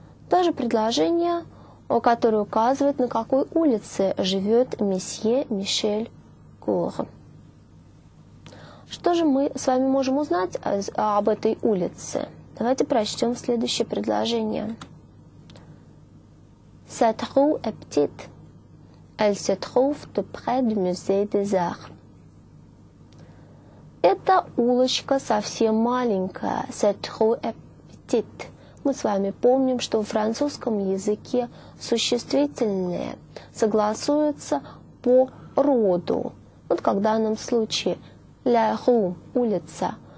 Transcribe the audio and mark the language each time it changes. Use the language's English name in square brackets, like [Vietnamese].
[Russian] То же предложение, которое указывает, на какой улице живет месье Мишель Кур. Что же мы с вами можем узнать об этой улице? Давайте прочтем следующее предложение. [French] Cette rue est petite. Elle se trouve tout près du musée des arts. [Russian] Эта улочка совсем маленькая. [French] Cette rue est petite. [Russian] Мы с вами помним, что в французском языке существительные согласуются по роду. Вот как в данном случае «la rue» – улица.